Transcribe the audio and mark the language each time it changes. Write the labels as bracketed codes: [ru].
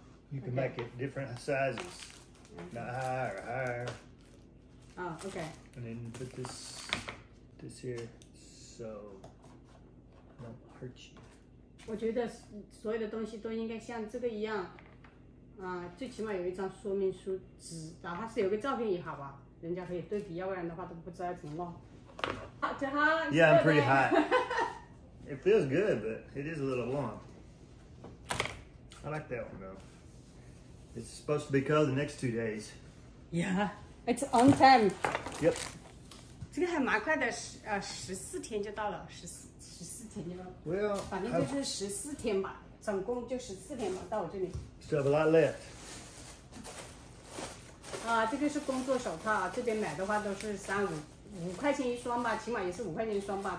[en] You can make it different sizes, not higher, higher. Oh, okay. And then put this here, so it won't hurt you. [zh] 我觉得所有的东西都应该像这个一样。最起码有一张说明书纸，哪怕是有个照片也好吧，人家可以对比，要不然的话都不知道怎么弄。好，就好。 [en] Yeah, I'm pretty hot. It feels good, but it is a little warm. I like that one though. It's supposed to be cold the next 2 days. Yeah, it's on time. Yep. [zh] 这个还蛮快的，14天就到了，14天就到了。 [en] Well, [zh] 反正就是14天吧。总共就十四天嘛，到我这里。 [en] Still have a lot left. [zh] 啊，这个是工作手套，这边买的话都是三五块钱一双吧，起码也是五块钱一双吧。